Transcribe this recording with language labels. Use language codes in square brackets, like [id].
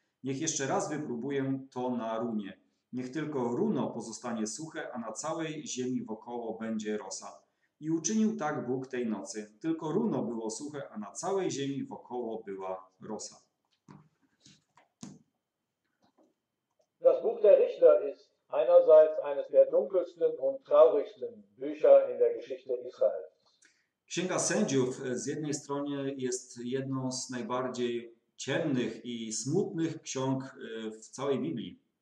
[pl] Niech jeszcze raz wypróbuję to na runie. Niech tylko runo pozostanie suche, a na całej ziemi wokoło będzie rosa. I uczynił tak Bóg tej nocy. Tylko runo było suche, a na całej ziemi wokoło była rosa. [de] Das Buch der Richter ist einerseits eines der dunkelsten und traurigsten Bücher in der Geschichte Israels. [pl] Księga Sędziów z jednej strony jest jedną z najbardziej ciemnych i smutnych ksiąg w całej Biblii.